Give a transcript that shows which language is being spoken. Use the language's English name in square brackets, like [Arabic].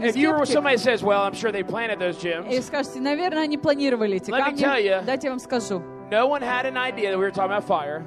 [English] if you're somebody says, well, I'm sure they planted those gems. [Russian] И скажете, наверное, они планировали эти камни. [English] Let me tell you. [Russian] Дайте я вам скажу. [English] No one had an idea that we were talking about fire.